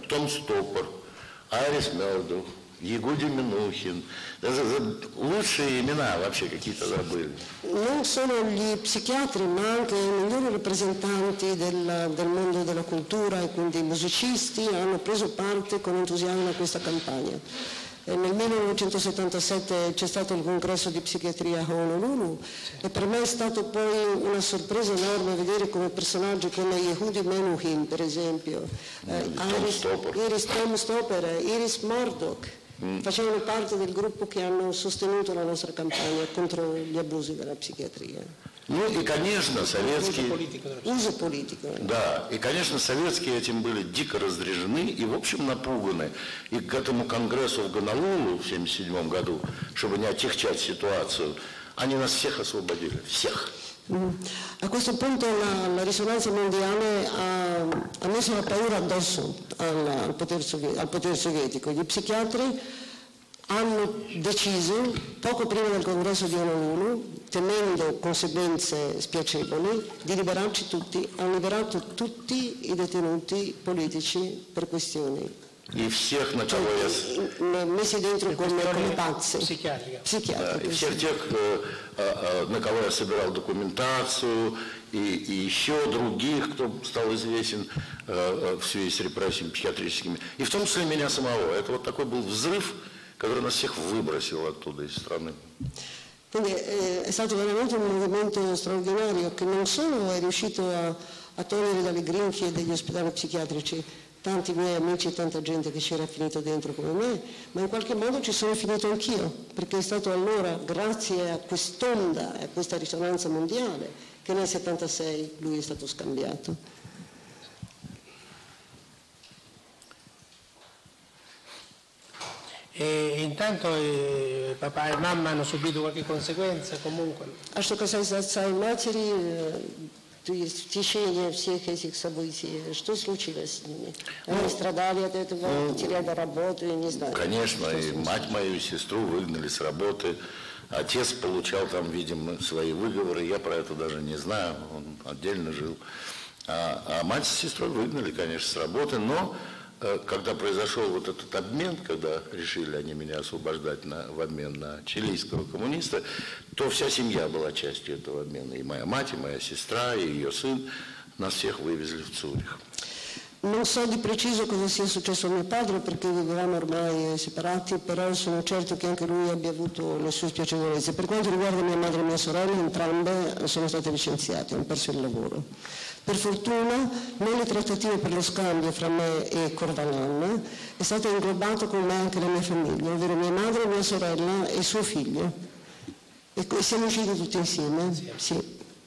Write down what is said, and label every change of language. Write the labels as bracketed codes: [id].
[ru] Том Стопор, Айрис Мердух, Ягуди Минухин. Это лучшие имена вообще какие-то забыли. Не только психиатры, но и многие репрезентанты мира культуры, и поэтому музыкисты, они взяли участие с энтузиазмом в этой кампании. [it] Nel 1977 c'è stato il congresso di psichiatria a Honolulu e per me è stato poi una sorpresa enorme vedere come personaggi come Yehudi Menuhin, per esempio, Iris Tom Stopper, Iris Murdoch, facevano parte del gruppo che hanno sostenuto la nostra campagna contro gli abusi della psichiatria. [ru] Ну и, конечно, советские... Уже политика. Да, и, конечно, советские этим были дико раздражены и, в общем, напуганы. И к этому конгрессу в Гонолулу в 77 году, чтобы не отягчать ситуацию, они нас всех освободили. Всех. [it] A questo punto la risonanza mondiale ha messo la paura addosso al potere sovietico. Gli psichiatri hanno deciso, poco prima del congresso di Honolulu, temendo conseguenze spiacevoli, di liberarci tutti, hanno liberato tutti i detenuti politici per questioni. [ru] И всех на КВС. Мы дентро компакции. Психиатрия. Всех тех, на кого я собирал документацию, и еще других, кто стал известен в связи с репрессиями психиатрическими. И в том числе меня самого. Это вот такой был взрыв, который нас всех выбросил оттуда из страны. [it] Quindi è stato veramente un movimento straordinario che non solo è riuscito a togliere dalle grinfie degli ospedali psichiatrici tanti miei amici e tanta gente che c'era finito dentro come me, ma in qualche modo ci sono finito anch'io, perché è stato allora, grazie a quest'onda e a questa risonanza mondiale, che nel 76 lui è stato scambiato. E intanto papà e mamma hanno subito qualche conseguenza comunque. A sto caso sai maceri, [ru] то есть в течение всех этих событий, что случилось с ними? Они страдали от этого, потеряли работу, я не знаю. Конечно, и мать мою, и сестру выгнали с работы. Отец получал там, видимо, свои выговоры, я про это даже не знаю, он отдельно жил. А мать с сестрой выгнали, конечно, с работы, но когда произошел вот этот обмен, когда решили они меня освобождать в обмен на чилийского коммуниста, то вся семья была частью этого обмена. И моя мать, и моя сестра, и ее сын нас всех вывезли в Цюрих. [it] Non so di preciso cosa sia successo a mio padre perché vivevamo ormai separati, però sono certo che anche lui abbia avuto le sue spiacevolezze. Per quanto riguarda mia madre e mia sorella, entrambe sono state licenziate, hanno perso il lavoro. Per fortuna, nelle trattative per lo scambio fra me e Corvalan, è stata inglobata con me anche la mia famiglia, ovvero mia madre, mia sorella e suo figlio. E siamo usciti tutti insieme. Sì.